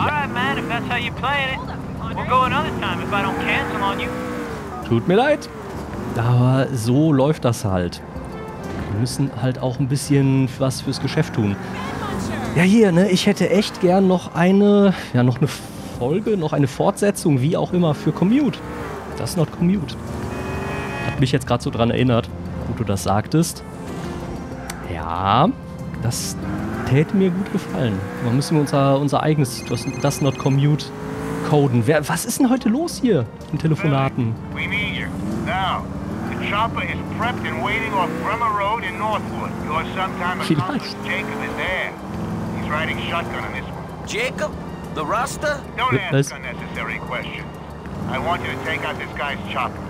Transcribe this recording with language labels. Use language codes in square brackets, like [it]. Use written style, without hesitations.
[en] All right, man, if that's how you're playing it, we'll go another time if I don't cancel on you. [de] Tut mir leid. Aber so läuft das halt. Wir müssen halt auch ein bisschen was fürs Geschäft tun. Ja, hier, ne, ich hätte echt gern noch eine, ja, noch eine Folge, noch eine Fortsetzung, wie auch immer, für Commute. Das ist not Commute. Hat mich jetzt gerade so dran erinnert, wo du das sagtest. Ja, das täte mir gut gefallen. Dann müssen wir unser eigenes Das not Commute coden. Wer, was ist denn heute los hier in Telefonaten? [en] We need you. Now. Chopper is prepped and waiting off Bremer Road in Northwood. Your sometime accomplice Jacob is there. He's riding shotgun on this one. Jacob? The Rasta? Don't ask unnecessary questions. I want you to take out this guy's chopper.